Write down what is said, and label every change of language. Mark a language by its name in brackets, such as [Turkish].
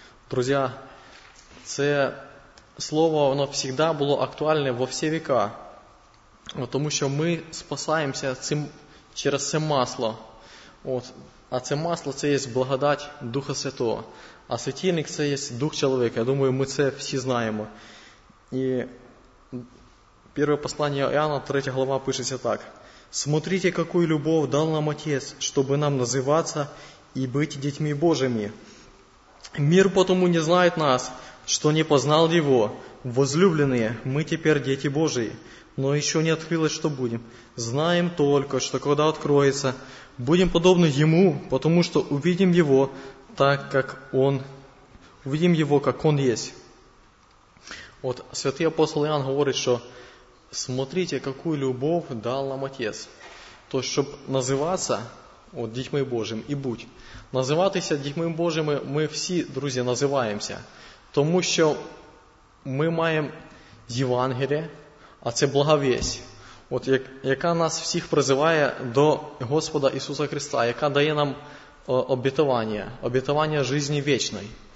[Ukrainian] Друзі, це слово, воно завжди було актуальне во всі віка. Тому що ми спасаємося цим, через це масло. От. А це масло – це є благодать Духа Святого. А світильник – це є Дух Чоловіка. Я думаю, ми це всі знаємо. [Russian] І Первое послание Иоанна, 3 глава, пишется так. «Смотрите, какую любовь дал нам Отец, чтобы нам называться и быть детьми Божьими. Мир потому не знает нас, что не познал Его. Возлюбленные, мы теперь дети Божьи, но еще не открылось, что будем. Знаем только, что когда откроется, будем подобны Ему, потому что увидим Его, так как Он, увидим Его, как Он есть». Вот святый апостол Иоанн говорит, что смотрите, какую любов дал нам Отец. [Ukrainian] То, щоб називатися от, дітьми Божими і будь. Називатися дітьми Божими ми всі, друзі, називаємося. Тому що ми маємо Євангеліє, а це благовість. От яка нас всіх призиває до Господа Ісуса Христа, яка дає нам обітування, обітування житті вічної.